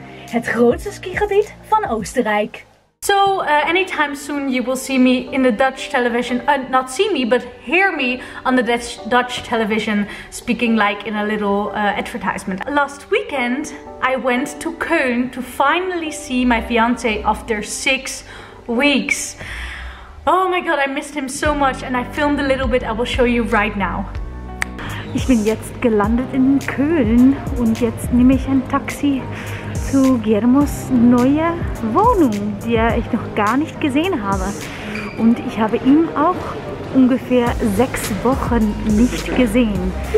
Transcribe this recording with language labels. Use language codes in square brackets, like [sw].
[nl] Het grootste skigebied van Oostenrijk. [en] So anytime soon you will see me in the Dutch television, not see me, but hear me on the Dutch television speaking like in a little advertisement. Last weekend I went to Köln to finally see my fiancé after 6 weeks. Oh my god, I missed him so much and I filmed a little bit I will show you right now. [de] Ich bin jetzt gelandet in Köln und jetzt nehme ich ein Taxi zu Guillermos neuer Wohnung, die ich noch gar nicht gesehen habe. Und ich habe ihn auch ungefähr 6 Wochen nicht gesehen.